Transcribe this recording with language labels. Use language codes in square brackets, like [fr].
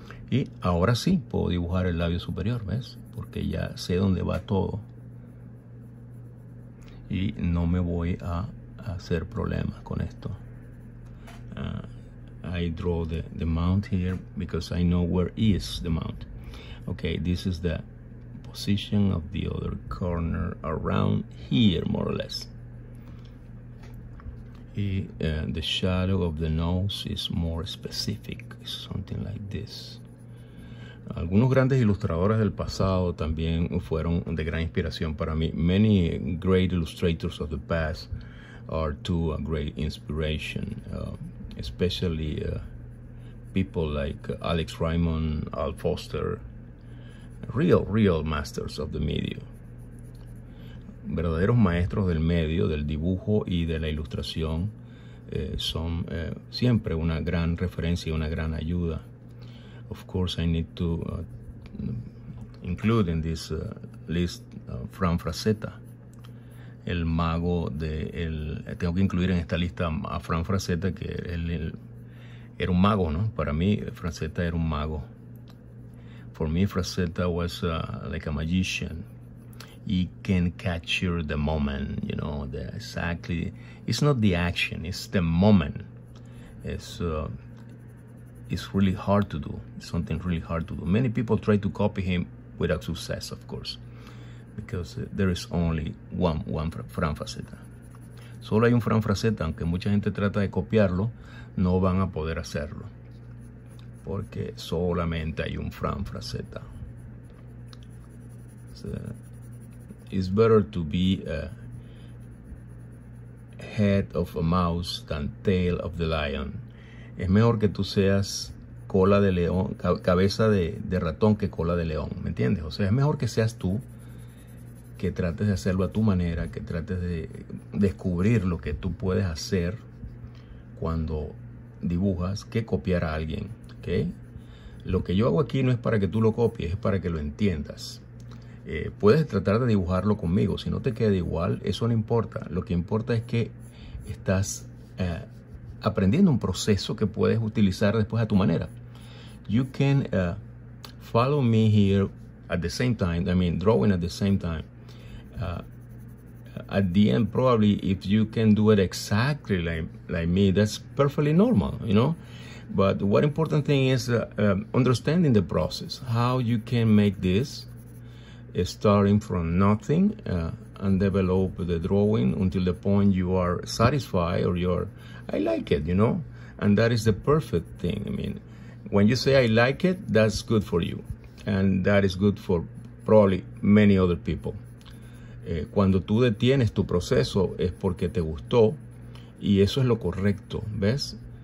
[es] Y ahora sí, puedo dibujar el labio superior, ¿ves? Porque ya sé dónde va todo. Y no me voy a hacer problemas con esto. [en] I draw the mount here because I know where is the mount. Okay, this is the position of the other corner around here, more or less. The shadow of the nose is more specific, something like this. [es] Algunos grandes ilustradores del pasado también fueron de gran inspiración para mí. [en] Many great illustrators of the past are too a great inspiration, especially people like Alex Raymond, Al Foster, real masters of the medium. [es] Verdaderos maestros del medio, del dibujo y de la ilustración son siempre una gran referencia y una gran ayuda. [en] Of course, I need to include in this list Fran Frazetta, [es] el mago de el. Tengo que incluir en esta lista a Fran Frazetta, que él era un mago, ¿no? Para mí, Frazetta era un mago. [en] For me, Frazetta was like a magician. He can capture the moment, you know, the exactly. It's not the action, it's the moment. It's really hard to do. It's something really hard to do. Many people try to copy him without success, of course, because there is only one Fran Frazetta. [es] Solo hay un Fran Frazetta, aunque mucha gente trata de copiarlo, no van a poder hacerlo. Porque solamente hay un Fran Frazetta. [en] It's better to be a head of a mouse than tail of the lion. [es] Es mejor que tú seas cola de león, cabeza de ratón que cola de león, ¿me entiendes? O sea, es mejor que seas tú, que trates de hacerlo a tu manera, que trates de descubrir lo que tú puedes hacer cuando dibujas, que copiar a alguien, ¿ok? Lo que yo hago aquí no es para que tú lo copies, es para que lo entiendas. Puedes tratar de dibujarlo conmigo. Si no te queda igual, eso no importa. Lo que importa es que estás aprendiendo un proceso que puedes utilizar después a tu manera. [en] You can follow me here at the same time. I mean, drawing at the same time. At the end, probably, if you can do it exactly like me, that's perfectly normal, you know? But what important thing is understanding the process. How you can make this. Starting from nothing and develop the drawing until the point you are satisfied or you're, I like it, you know? And that is the perfect thing. I mean, when you say I like it, that's good for you. And that is good for probably many other people. [es] Cuando tú detienes tu proceso es porque te gustó y eso es lo correcto, ¿ves?